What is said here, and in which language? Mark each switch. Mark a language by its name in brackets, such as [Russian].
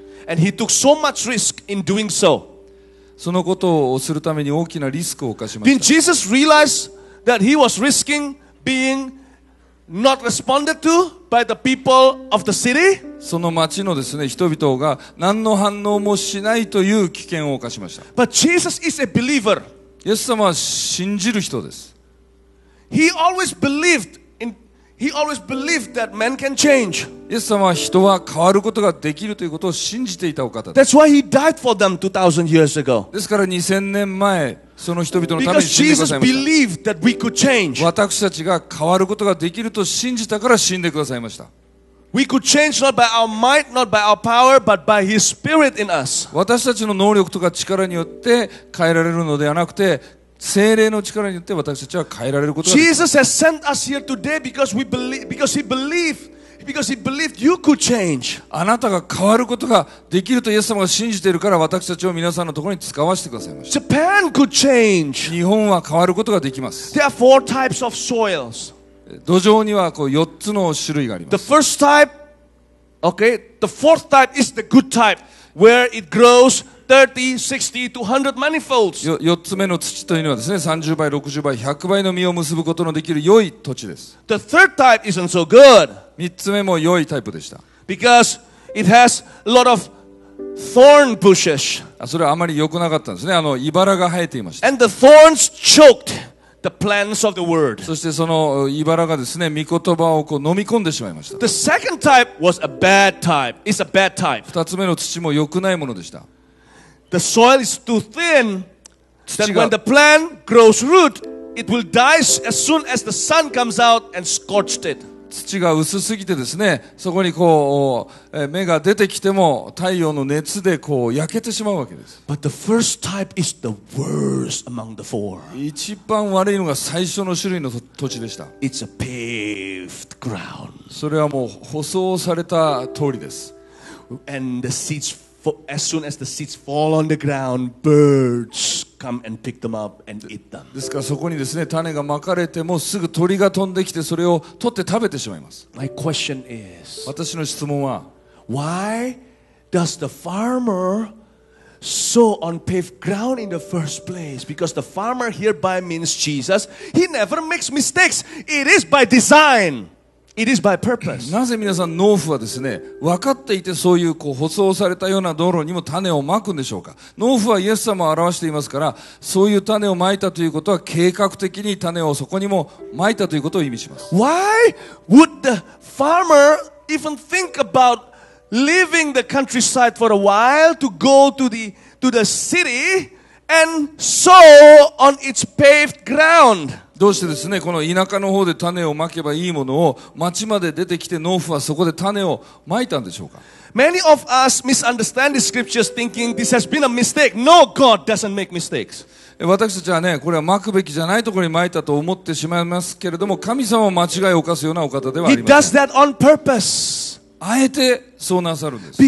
[English] And he took so much risk in doing so. [Japanese] そのことをするために大きなリスクを犯しました。 [English] Did Jesus realize that he was risking being not responded to by the people of the city? [Japanese] その町のですね、人々が何の反応もしないという危険を犯しました。 [English] But Jesus is a believer. [Japanese] イエス様は信じる人です。 [English] He always believed that man can change. [Japanese] イエス様は人は変わることができるということを信じていたお方です。 [English] That's why he died for them 2,000 years ago. [Japanese] ですから2000年前その人々のために死んでくださいました。 [English] Because Jesus believed that we could change. [Japanese] 私たちが変わることができると信じたから死んでくださいました。 [English] We could change not by our might, not by our power, but by His Spirit in us. [Japanese] 私たちの能力とか力によって変えられるのではなくて。聖霊の力によって私たちは変えられることができる。 [English] Jesus has sent us here today because we believe, because he believed you could change. [Japanese] あなたが変わることができるとイエス様が信じているから私たちを皆さんのところに使わせてくださいました。 [English] Japan could change. [Japanese] 日本は変わることができます。 [English] There are four types of soils. [Japanese] 土壌にはこう4つの種類があります。 [English] The first type, okay, the fourth type is the good type, where it grows. 30, 60, 200 manifolds. [Japanese] 4つ目の土というのはですね、30倍、60倍、100倍の実を結ぶことのできる良い土地です。 [English] The third type isn't so good. [Japanese] 3つ目も良いタイプでした。 [English] Because it has a lot of thorn bushes. [Japanese] それはあまり良くなかったんですね。茨が生えていました。 [English] And the thorns choked the plans of the word. [Japanese] そしてその茨がですね、御言葉をこう飲み込んでしまいました。 [English] The second type was a bad type. It's a bad type. [Japanese] 二つ目の土も良くないものでした。 [English] The soil is too thin. That when the plant grows root, it will die as soon as the sun comes out and scorched it. [Japanese] 土が薄すぎてですね、そこにこう芽が出てきても太陽の熱でこう焼けてしまうわけです。 [English] But the first type is the worst among the four. [Japanese] 一番悪いのが最初の種類の土地でした。 [English] It's a paved ground. [Japanese] それはもう舗装された通りです。 [English] And the seeds, as soon as the seeds fall on the ground, birds. [Japanese] ですからそこにですね、種がまかれてもすぐ鳥が飛んできてそれを取って食べてしまいます。 [English] My question is, [Japanese] 私の質問は、 [English] Why does the farmer sow on paved ground in the first place? Because the farmer hereby means Jesus. He never makes mistakes. It is by design. It is by purpose. [Japanese] なぜ皆さん農夫はですね、分かっていてそういうこう舗装されたような道路にも種をまくんでしょうか。農夫はイエス様を表していますから、そういう種をまいたということは計画的に種をそこにもまいたということを意味します。 [English] Why would the farmer even think about leaving the countryside for a while to go to the city and sow on its paved ground? [Japanese] どうしてですね、この田舎の方で種をまけばいいものを町まで出てきて農夫はそこで種をまいたんでしょうか。 [English] Many of us misunderstand the scriptures thinking this has been a mistake. No, God doesn't make mistakes. [Japanese] 私たちはね、これはまくべきじゃないところにまいたと思ってしまいますけれども、神様は間違いを犯すようなお方ではありません。 [English] He does that on purpose. [Japanese] あえてそうなさるんです。